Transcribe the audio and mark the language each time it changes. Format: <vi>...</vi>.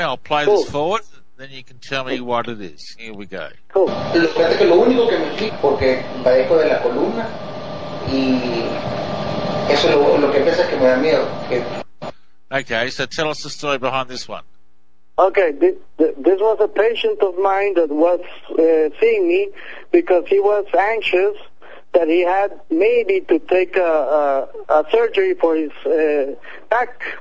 <en>I'll play this forward, then you can tell me what it is. Here we go. Cool.</en> <es>Lo único que me explico porque padezco de la columna y eso lo que pasa es que me da miedo.</es> <en>Okay, so tell us the story behind this one. Okay, this was a patient of mine that was seeing me because he was anxious that he had maybe to take a surgery for his back.</en>